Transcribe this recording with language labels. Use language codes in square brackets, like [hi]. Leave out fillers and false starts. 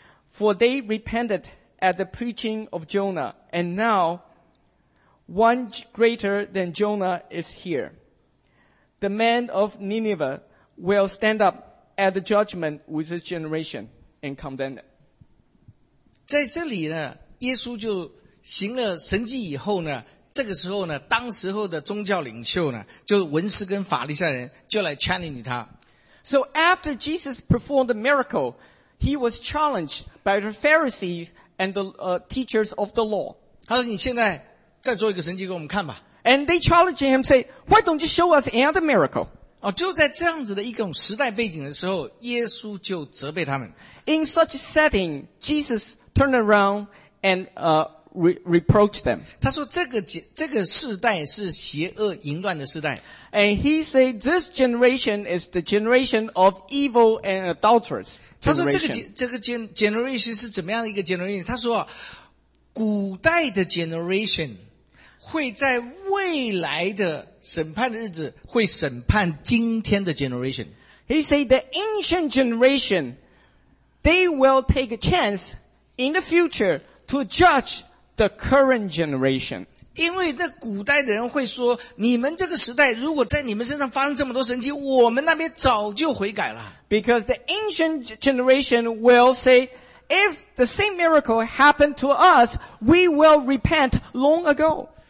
[en] For they repented at the preaching of Jonah, and now one greater than Jonah is here. The men of Nineveh will stand up at the judgment with this generation and condemn it. [zh] 在这里呢，耶稣就行了神迹以后呢，这个时候呢，当时候的宗教领袖呢，就文士跟法利赛人就来 challenge 他。 [en] So after Jesus performed the miracle, he was challenged by the Pharisees and the teachers of the law. [zh] 他说：“你现在再做一个神迹给我们看吧。” [en] And they challenged him, say, "Why don't you show us another miracle?" [zh] 哦，就在这样子的一种时代背景的时候，耶稣就责备他们。 [en] In such setting, Jesus turn around and reproach them. [zh] 他说这个世代是邪恶淫乱的世代。 [en] And he said this generation is the generation of evil and adulterous generation. [zh] 他说这个 generation 是怎么样的一个 generation? 他说古代的 generation 会在未来的审判的日子会审判今天的 generation. [en] He said the ancient generation, they will take a chance in the future to judge the current generation. [zh] 因为那古代的人会说，你们这个时代如果在你们身上发生这么多神迹，我们那边早就悔改了。 [en] Because the ancient generation will say, if the same miracle happened to us, we will repent long ago.